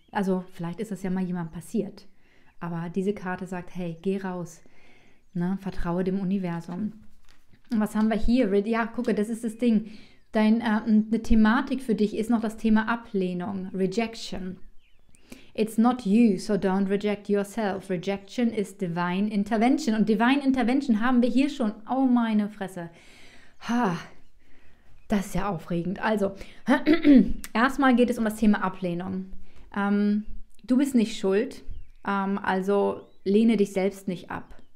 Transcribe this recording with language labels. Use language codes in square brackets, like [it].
[de] Also vielleicht ist das ja mal jemand passiert. Aber diese Karte sagt, hey, geh raus, ne? Vertraue dem Universum. Was haben wir hier? Ja, gucke, das ist das Ding. Eine Thematik für dich ist noch das Thema Ablehnung, Rejection. [en] It's not you, so don't reject yourself. Rejection is divine intervention. [de] Und [en] divine intervention [de] haben wir hier schon. Oh, meine Fresse. Ha, das ist ja aufregend. Also, erstmal geht es um das Thema Ablehnung. Du bist nicht schuld, also lehne dich selbst nicht ab.